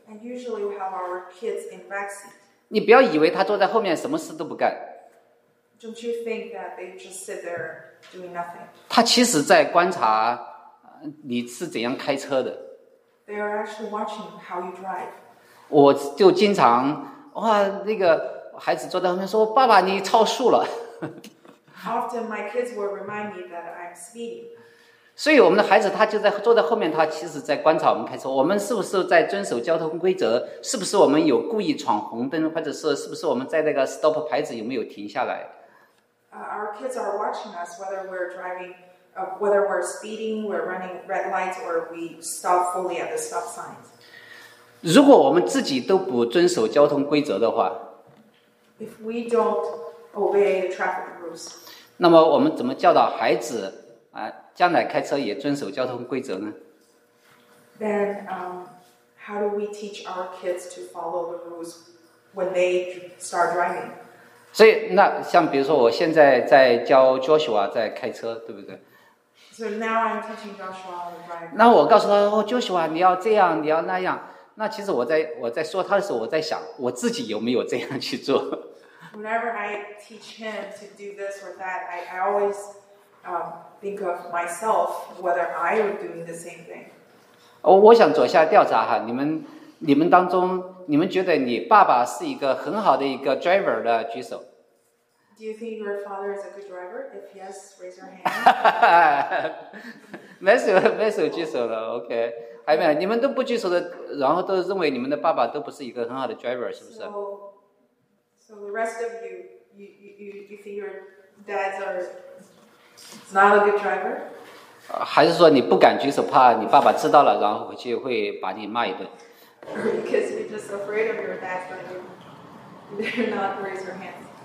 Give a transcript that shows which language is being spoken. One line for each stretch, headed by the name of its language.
English: And usually we have our kids in back seat.
Chinese: 你不要以为他坐在后面什么事都不干。
English: Don't you think that they just sit there doing nothing?
Chinese: 他其实在观察你是怎样开车的。
English: They are actually watching how you drive.
Chinese: 我就经常，哇，那个孩子坐在后面说：“爸爸，你超速了。 ”
English: Often my kids will remind me that I'm speeding.
Chinese: 所以我们的孩子他就在坐在后面，他其实在观察我们开车，我们是不是在遵守交通规则，是不是我们有故意闯红灯，或者是不是我们在那个 stop 牌子有没有停下来。
English: Our kids are watching us whether we're driving, whether we're speeding, we're running red lights, or we stop fully at the stop signs.
Chinese: 如果我们自己都不遵守交通规则的话，
English: If we don't obey the traffic rules.
Chinese: 那么我们怎么教导孩子啊，将来开车也遵守交通规则呢？
English: Then, how do we teach our kids to follow the rules when they start driving?
Chinese: 所以那像比如说我现在在教 Joshua 在开车，对不对？
English: So now I'm teaching Joshua to drive.
Chinese: 那我告诉他，哦， Joshua 你要这样，你要那样。那其实我在说他的时候，我在想我自己有没有这样去做。
English: Whenever I teach him to do this or that, I always think of myself whether I am doing the same thing.
Chinese: 我想做一下调查哈，你们当中，你们觉得你爸爸是一个很好的一个 driver 的举手。
English: Do you think your father is a good driver? If yes, raise your hand.
Chinese: 没手举手了 ，OK。还没有，你们都不举手的，然后都认为你们的爸爸都不是一个很好的 driver， 是不是？
English: So the rest of you think your dads are not a good driver?
Chinese: 还是说你不敢举手，怕你爸爸知道了，然后回去会把你骂一顿？
English: Because you're just afraid of your dad, but you dare not raise your hands.